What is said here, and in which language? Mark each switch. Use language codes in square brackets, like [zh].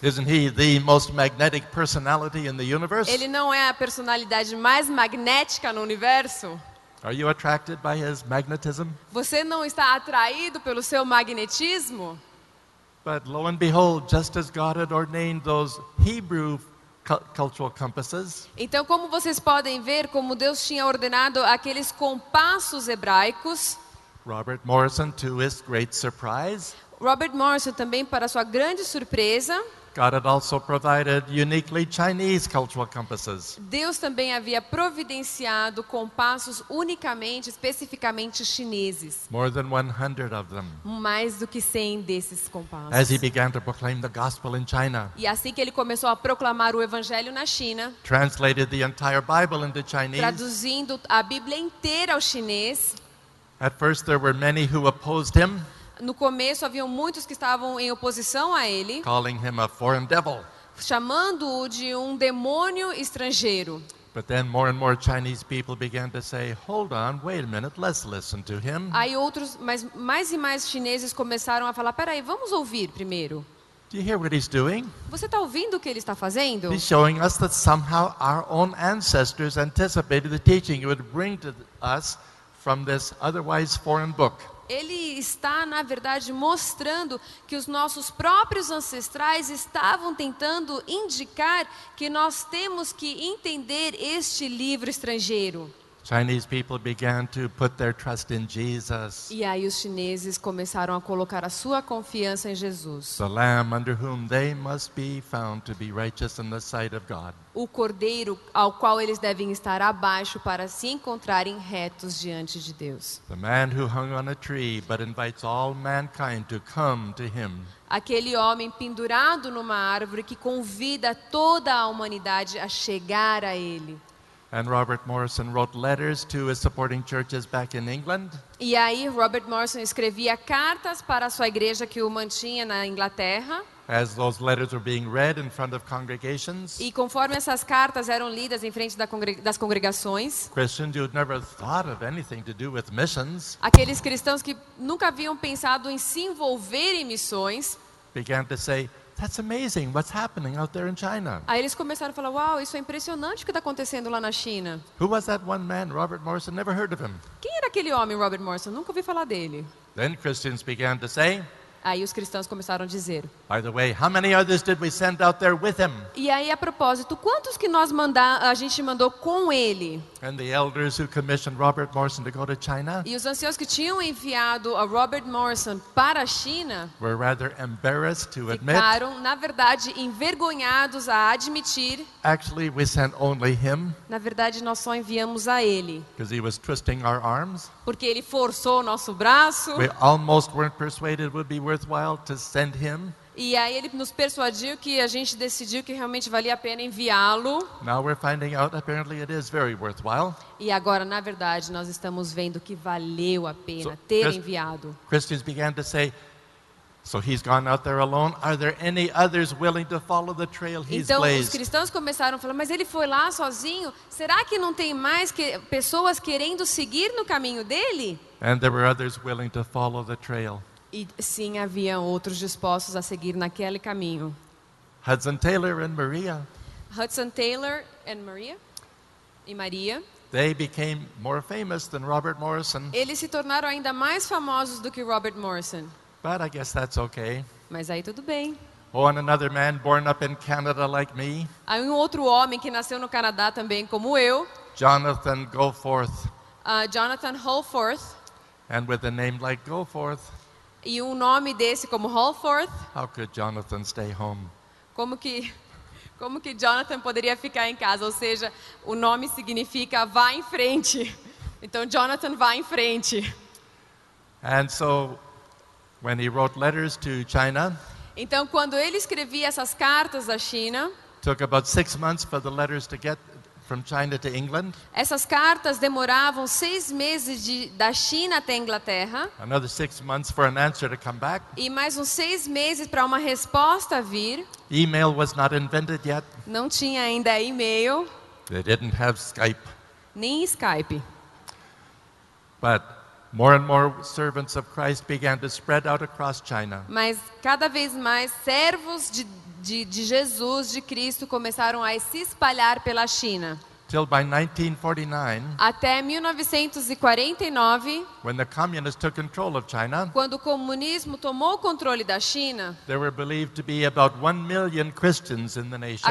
[en] Isn't he the most magnetic personality in the universe? [pt] Ele não é a personalidade mais magnética no universo? [en] Are you attracted by his magnetism? [pt] Você não está atraído pelo seu magnetismo? [en] But lo and behold, just as God had ordained those Hebrew cultural compasses. [pt] Então, como vocês podem ver, como Deus tinha ordenado aqueles compassos hebraicos, [en] Robert Morrison, to his great surprise, [pt] Robert Morrison também, para sua grande surpresa, [en] God had also provided uniquely Chinese cultural compasses. [pt] Deus também havia providenciado compassos unicamente, especificamente chineses. [en] More than 100 of them. [pt] Mais do que 100 desses compassos. [en] As he began to proclaim the gospel in China. [pt] E assim que ele começou a proclamar o evangelho na China. [en] Translated the entire Bible into Chinese. [pt] Traduzindo a Bíblia inteira ao chinês. [en] At first there were many who opposed him. [pt] No começo, haviam muitos que estavam em oposição a ele. [en] Calling him a foreign devil. [pt] Chamando-o de um demônio estrangeiro. [en] But then more and more Chinese people began to say, hold on, wait a minute, let's listen to him. [pt] Aí outros, mais e mais chineses começaram a falar, peraí, vamos ouvir primeiro. [en] Do you hear what he's doing? [pt] Você está ouvindo o que ele está fazendo? [en] He's showing us that somehow our own ancestors anticipated the teaching he would bring to us from this otherwise foreign book. [pt] Ele está, na verdade, mostrando que os nossos próprios ancestrais estavam tentando indicar que nós temos que entender este livro estrangeiro. [en] Chinese people began to put their trust in Jesus. [pt] E aí os chineses começaram a colocar a sua confiança em Jesus. [en] The Lamb under whom they must be found to be righteous in the sight of God. [pt] O cordeiro ao qual eles devem estar abaixo para se encontrarem retos diante de Deus. [en] The man who hung on a tree but invites all mankind to come to him. [pt] Aquele homem pendurado numa árvore que convida toda a humanidade a chegar a ele. [en] And Robert Morrison wrote letters to his supporting churches back in England. [pt] E aí Robert Morrison escrevia cartas para a sua igreja que o mantinha na Inglaterra. [en] As those letters were being read in front of congregations. [pt] E conforme essas cartas eram lidas em frente das congregações. [en] Christians who had never thought of anything to do with missions. [pt] Aqueles cristãos que nunca haviam pensado em se envolver em missões. [en] Began to say, that's amazing what's happening out there in China. [pt] Aí eles começaram a falar, uau, isso é impressionante o que está acontecendo lá na China. [en] Who was that one man, Robert Morrison? Never heard of him. [pt] Quem era aquele homem, Robert Morrison? Nunca ouvi falar dele. [en] Then Christians began to say. [pt] Aí os cristãos começaram a dizer. [en] By the way, how many others did we send out there with him? [pt] E aí a propósito, quantos que a gente mandou com ele? [en] And the elders who commissioned Robert Morrison to go to China. [pt] E os anciãos que tinham enviado a Robert Morrison para a China. [en] Were rather embarrassed to admit. [pt] Ficaram, na verdade, envergonhados a admitir. [en] Actually, we sent only him. [pt] Na verdade, nós só enviamos a ele. [en] Because he was twisting our arms. [pt] Porque ele forçou o nosso braço. [en] We almost weren't persuaded it would be worthwhile to send him. [pt] E aí ele nos persuadiu que a gente decidiu que realmente valia a pena enviá-lo. [en] Now we're finding out apparently it is very worthwhile. [pt] E agora, na verdade, nós estamos vendo que valeu a pena enviado. [en] Christians began to say, so he's gone out there alone. Are there any others willing to follow the trail he's [pt] então, [en] blazed? [pt] Então os cristãos começaram a falar, mas ele foi lá sozinho. Será que não tem mais pessoas querendo seguir no caminho dele? [en] And there were others willing to follow the trail. [pt] E sim, havia outros dispostos a seguir naquele caminho. [en] Hudson Taylor and Maria. Hudson Taylor and Maria. [pt] E Maria. [en] They became more famous than Robert Morrison. [pt] Eles se tornaram ainda mais famosos do que Robert Morrison. [en] But I guess that's okay. [pt] Mas aí tudo bem. [en] Oh, and another man born up in Canada like me. [pt] Há um outro homem que nasceu no Canadá também como eu. [en] Jonathan Goforth. [pt] Jonathan Holforth. [en] And with a name like Goforth. [pt] E um nome desse como Holforth. [en] How could Jonathan stay home? [pt] Como que Jonathan poderia ficar em casa? Ou seja, o nome significa vá em frente. Então Jonathan vá em frente. [en] And so, when he wrote letters to China, [pt] então, quando ele escrevia essas cartas à China, [en] took about 6 months for the letters to get from China to England. [pt] Essas cartas demoravam 6 meses da China até a Inglaterra. [en] Another 6 months for an answer to come back. [pt] E mais uns 6 meses para uma resposta vir. [en] Email was not invented yet. [pt] Não tinha ainda e-mail. [en] They didn't have Skype. [pt] Nem Skype. [en] But more and more servants of Christ began to spread out across China. [pt] Mas cada vez mais servos de Jesus, de Cristo, começaram a se espalhar pela China. [en] Till by 1949. [pt] Até 1949. [en] When the communists took control of China. [pt] Quando o comunismo tomou o controle da China. [en] There were believed to be about 1 million Christians in the nation.